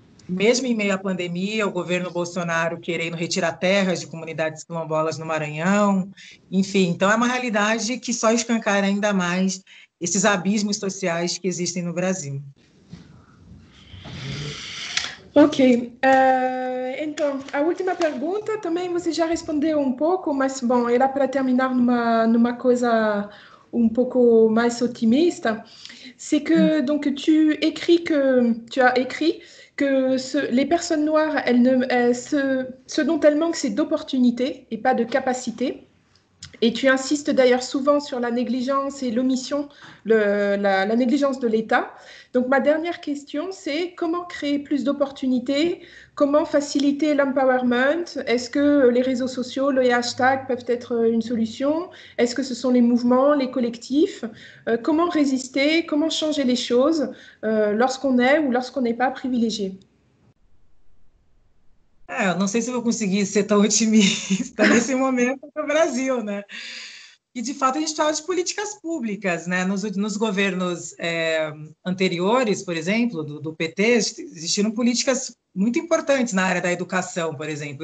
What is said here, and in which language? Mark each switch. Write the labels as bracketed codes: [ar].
[pt] Mesmo em meio à pandemia, o governo Bolsonaro querendo retirar terras de comunidades quilombolas no Maranhão, enfim, então é uma realidade que só escancara ainda mais esses abismos sociais que existem no Brasil. Ok. Então, a última pergunta também você já respondeu um pouco, mas, bom, era para terminar numa coisa um pouco mais otimista. [fr] C'est que, donc, tu as écrit que les personnes noires, ce dont elles manquent, c'est d'opportunités et pas de capacités. Et tu insistes d'ailleurs souvent sur la négligence et l'omission, la négligence de l'État. Donc, ma dernière question, c'est comment créer plus d'opportunités? Comment faciliter l'empowerment? Est-ce que les réseaux sociaux, les hashtags peuvent être une solution? Est-ce que ce sont les mouvements, les collectifs? Comment résister? Comment changer les choses lorsqu'on est ou lorsqu'on n'est pas privilégié? [pt] Eu não sei se eu vou conseguir ser tão otimista nesse momento no Brasil, né? E, de fato, a gente fala de políticas públicas, né? Nos governos anteriores, por exemplo, do PT, existiram políticas muito importantes na área da educação, por exemplo.